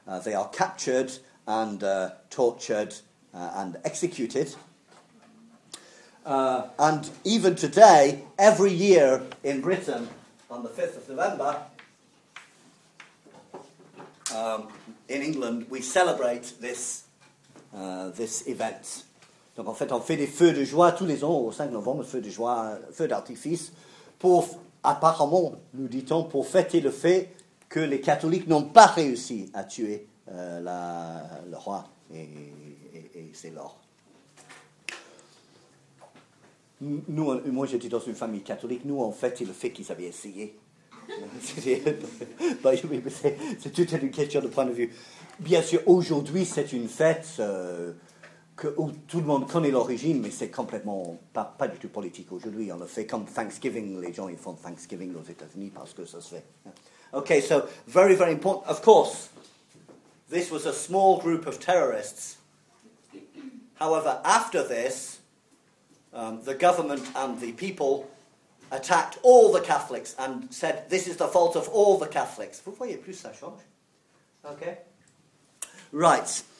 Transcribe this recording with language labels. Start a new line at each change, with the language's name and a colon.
English: They are captured and tortured and executed. And even today, every year in Britain, on the 5th of November, in England, we celebrate this this event.
French: Donc en fait, on fait des feux de joie tous les ans, au 5 novembre, feux de joie, feux d'artifice, pour, apparemment, nous dit-on, pour fêter le fait que les catholiques n'ont pas réussi à tuer le roi et ses lords. Nous, moi, j'étais dans une famille catholique. Nous, en fait, c'est le fait qu'ils avaient essayé. C'est toute une question de point de vue. Bien sûr, aujourd'hui, c'est une fête où tout le monde connaît l'origine, mais c'est complètement pas du tout politique aujourd'hui. On le fait comme Thanksgiving. Les gens, ils font Thanksgiving aux États-Unis parce que ça se fait.
English: OK, so, very, very important. Of course, this was a small group of terrorists. However, after this, the government and the people attacked all the Catholics and said, this is the fault of all the Catholics.
French: Vous voyez plus ça change? OK. Right.